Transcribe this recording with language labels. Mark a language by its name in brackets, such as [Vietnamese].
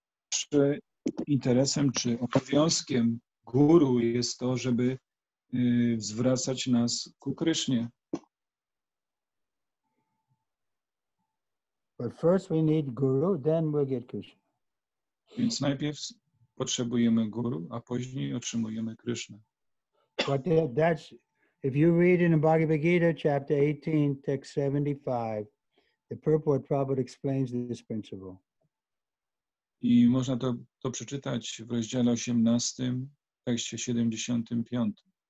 [Polish] Czy interesem, czy obowiązkiem guru jest to, żeby zwracać nas ku Krysznie. [English] But first we need guru, then we'll get Krishna. [Polish] Więc najpierw potrzebujemy guru, a później otrzymujemy Krysznę. [English] But that's, if you read in the Bhagavad Gita, chapter 18, text 75, the purport Prabhupada explains this principle. [Polish] I można to przeczytać w rozdziale 18, tekście 75.